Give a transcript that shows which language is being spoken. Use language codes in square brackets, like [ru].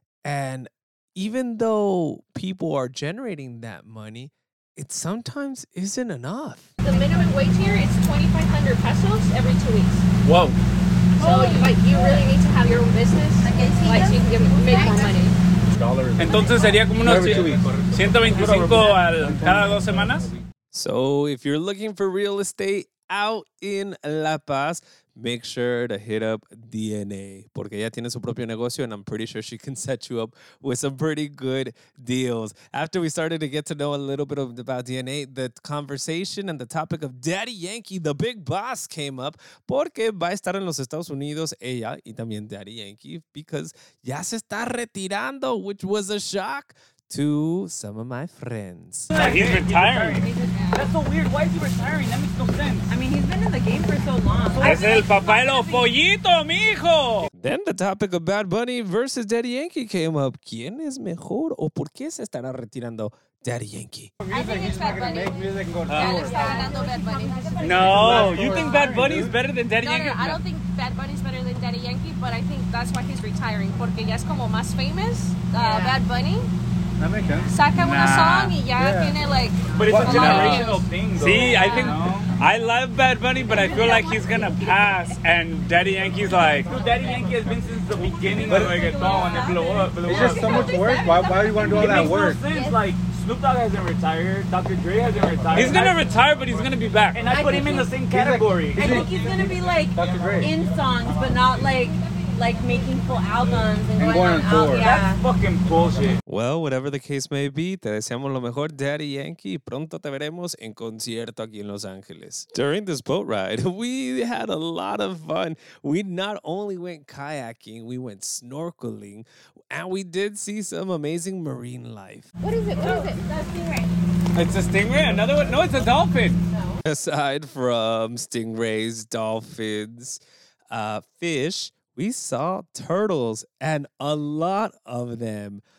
[en] And even though people are generating that money, it sometimes isn't enough. The minimum wage here is 2,500 pesos every 2 weeks. Whoa. So you really need to have your own business, like, so you can make more money. [es] Entonces sería como unos 125 al cada dos semanas. [en] So if you're looking for real estate out in La Paz, make sure to hit up DNA, [es] porque ella tiene su propio negocio, [en] and I'm pretty sure she can set you up with some pretty good deals. After we started to get to know a little bit about DNA, the conversation and the topic of Daddy Yankee, the big boss, came up, [es] porque va a estar en los Estados Unidos ella y también [en] Daddy Yankee, because [es] ya se está retirando, [en] which was a shock to some of my friends. He's retiring. That's so weird. Why is he retiring? That makes no sense. I mean, he's been in the game for so long. [es] Es el papá de los pollitos, mijo. [en] Then the topic of Bad Bunny versus Daddy Yankee came up. [es] ¿Quién es mejor o por qué se estará retirando Daddy Yankee? [en] I think it's Bad Bunny. No, you think Bad Bunny is better than Daddy Yankee? No, I don't think Bad Bunny is better than Daddy Yankee, but I think that's why he's retiring. [es] Porque ya es como más [en] famous, [es] Bad Bunny. [en] That makes sense. [es] Saca una [en] song [es] y ya tiene [en] like. But it's a generational thing, though. See, I think I love Bad Bunny, but I feel like he's gonna pass, and Daddy Yankee's like. Dude, Daddy Yankee has been since the beginning of like a song and blow up. It's just so much work. Why do you want to do all that work? It makes no sense. Like, Snoop Dogg hasn't retired. Dr. Dre hasn't retired. He's gonna retire, but he's gonna be back. And I put him in the same category. I think he's gonna be like in songs, but not like making full albums and going on tour. That's fucking bullshit. Well, whatever the case may be, [es] te deseamos lo mejor, [en] Daddy Yankee. [es] Pronto te veremos en concierto aquí en Los Ángeles. [en] During this boat ride, we had a lot of fun. We not only went kayaking, we went snorkeling, and we did see some amazing marine life. What is it? That stingray. It's a stingray? Another one? No, it's a dolphin. No. Aside from stingrays, dolphins, fish, we saw turtles and a lot of them.